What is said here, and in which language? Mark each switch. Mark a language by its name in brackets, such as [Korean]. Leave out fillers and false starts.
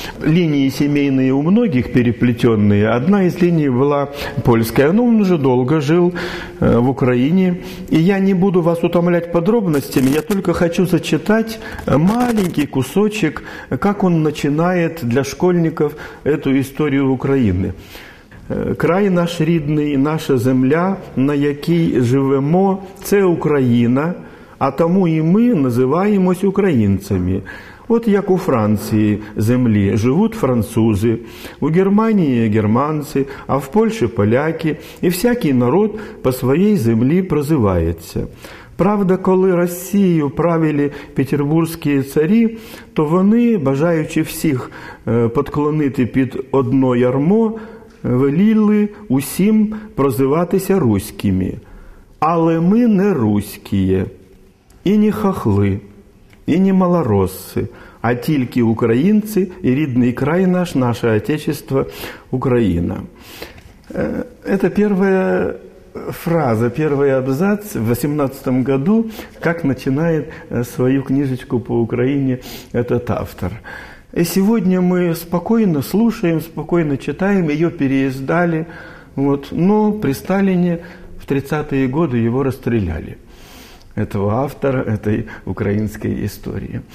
[Russian] Линии семейные у многих переплетенные. Одна из линий была польская. Но он уже долго жил в Украине. И я не буду вас утомлять подробностями. Я только хочу зачитать маленький кусочек, как он начинает для школьников эту историю Украины. [Ukrainian] «Край наш рідний, наша земля, на якій живемо, це Україна, а тому і ми називаємось українцями. От як у Франції землі живуть французи, у Германії – германці, а в Польщі – поляки, і всякий народ по своїй землі прозивається. Правда, коли Росією правили петербурзькі царі, то вони, бажаючи всіх підклонити під одно ярмо, веліли усім прозиватися руськими. Але ми не руські, і не хохли, і не малороси, а тільки українці і рідний край наш, наше отечество Україна». [Russian] Это первая фраза, первый абзац в 18-м году, как начинает свою книжечку по Украине этот автор. И сегодня мы спокойно слушаем, спокойно читаем, ее переиздали, вот, но при Сталине в 30-е годы его расстреляли, этого автора этой украинской истории.